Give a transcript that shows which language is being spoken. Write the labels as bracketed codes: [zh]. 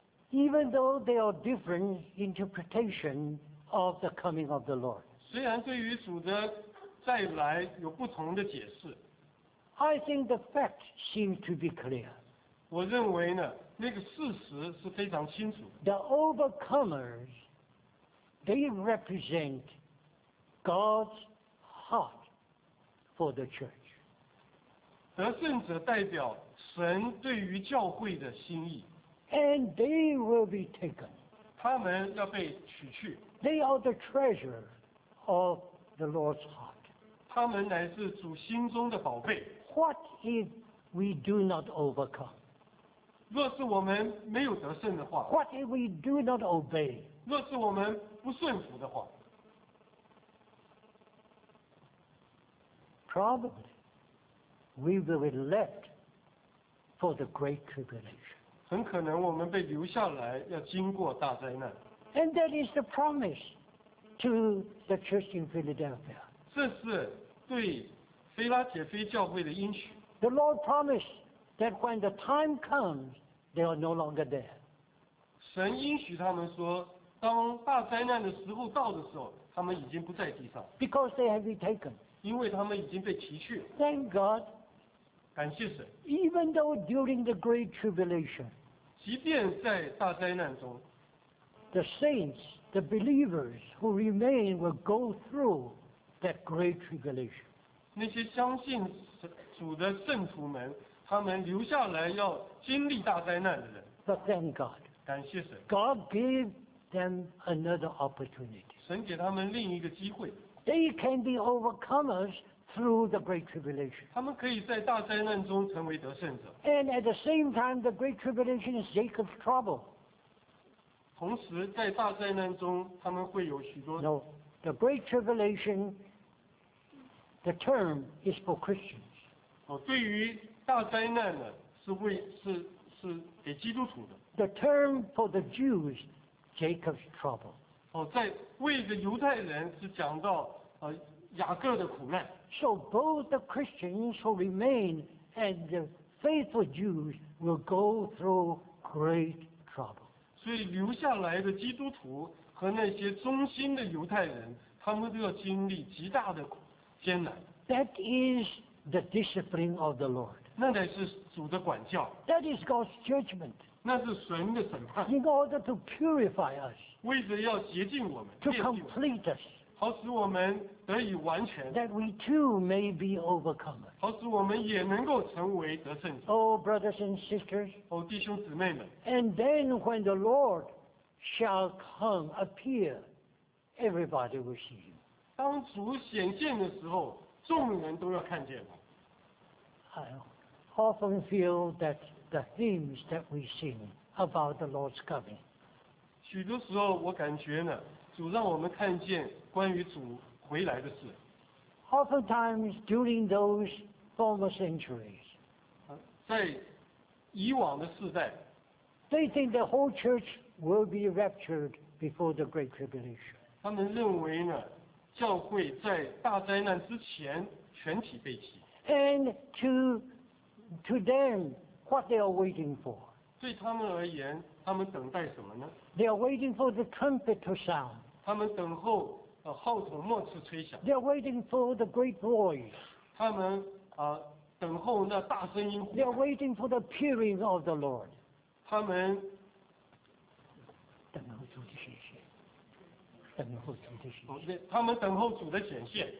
[en] Even though there are different interpretation of the coming of the Lord， [zh] 虽然对于主的再来有不同的解释 [en] ，I think the fact seems to be clear。 [zh] 我认为呢，那个事实是非常清楚的。 [en] The overcomers， they represent God's heart for the church。 [zh] 得胜者代表神对于教会的心意。 [en] And they will be taken。 [zh] 他们要被取去。 [en] They are the treasure of the Lord's heart。 [zh] 他们乃是主心中的宝贝。 [en] What if we do not overcome？ [zh] 若是我们没有得胜的话。 [en] What if we do not obey？ [zh] 若是我们不顺服的话。 [en] Probably we will be left for the great tribulation。 [zh] 很可能我们被留下来，要经过大灾难。 [en] And that is the promise to the church in Philadelphia。 [zh] 这是对腓拉铁菲教会的应许。 [en] The Lord promised that when the time comes, they are no longer there。 [zh] 神应许他们说，当大灾难的时候到的时候，他们已经不在地上。 [en] Because they have been taken。 [zh] 因为他们已经被提去了。 [en] Thank God。 [zh] 感谢神。 [en] Even though during the great tribulation， [zh] 即便在大灾难中， [en] the saints, the believers who remain will go through that great tribulation。 [zh] 那些相信主的圣徒们，他们留下来要经历大灾难的人。 [en] But thank God， [zh] 感谢神。 [en] God gave them another opportunity。 [zh] 神给他们另一个机会。 [en] They can be overcomers。 Through the great tribulation， [zh] 他们可以在大灾难中成为得胜者。 [en] And at the same time, the great tribulation is Jacob's trouble。 [zh] 同时，在大灾难中，他们会有许多。 [en] No, the great tribulation, the term is for Christians。 [zh] 哦，对于大灾难呢，是给基督徒的。 [en] The term for the Jews, Jacob's trouble。 [zh] 哦，在为着犹太人是讲到雅各的苦难。 [en] So both the Christians who remain and the faithful Jews will go through great trouble。 [zh] 所以留下来的基督徒和那些忠心的犹太人，他们都要经历极大的艰难。 [en] That is the discipline of the Lord。 [zh] 那乃是主的管教。 [en] That is God's judgment。 [zh] 那是神的审判。 [en] In order to purify us。 [zh] 为着要洁净我们。 [en] To complete us。 [zh] 好使我们得以完全。 [en] That we too may be overcomers。 [zh] 好使我们也能够成为得胜者。 [en] Oh, brothers and sisters。 [zh] Oh, 弟兄姊妹们。 [en] And then when the Lord shall come appear, everybody will see you。 [zh] 当主显现的时候，众人都要看见他。 [en] I often feel that the hymns that we sing about the Lord's coming。 [zh] 许多时候，我感觉呢。主让我们看见关于主回来的事。 [en] Oftentimes during those former centuries， [zh] 在以往的世代 [en] ，they think the whole church will be raptured before the great tribulation。 [zh] 他们认为呢，教会在大灾难之前全体被提。 [en] And to them， what they are waiting for？ [zh] 对他们而言，他们等待什么呢 [en] ？They are waiting for the trumpet to sound。 [zh] 他们等候号筒末次吹响。 [en] They are waiting for the great voice。 [zh] 他们等候那大声音。 [en] They are waiting for the appearing of the Lord。 [zh] 他们等候主的显现，等候主的显现。他们等候主的显现。